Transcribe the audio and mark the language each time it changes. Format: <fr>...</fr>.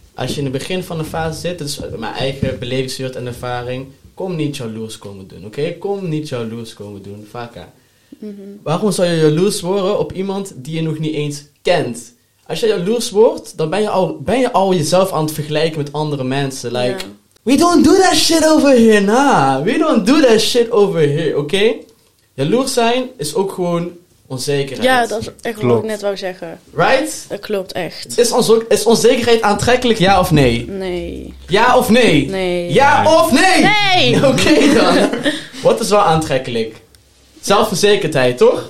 <nl>Als je in het begin van de fase zit, dus mijn eigen belevingswereld en ervaring, kom niet jaloers komen doen, oké? Okay? Kom niet jaloers komen doen, vaka. Mm-hmm. Waarom zou je jaloers worden op iemand die je nog niet eens kent? Als je jaloers wordt, dan ben je al jezelf aan het vergelijken met andere mensen.</nl> <en>Like, we don't do that shit over here, nah. We don't do that shit over here, oké? Okay?</en> <nl>Jaloers zijn is ook gewoon onzekerheid. Ja, dat is echt wat ik net wou zeggen.</nl> <en>Right?</en> <nl>Dat klopt echt. Is onzekerheid aantrekkelijk, ja of nee? Nee. Ja of nee? Nee. Ja of nee? Nee! Oké dan. Wat is wel aantrekkelijk? Zelfverzekerdheid, toch?</nl>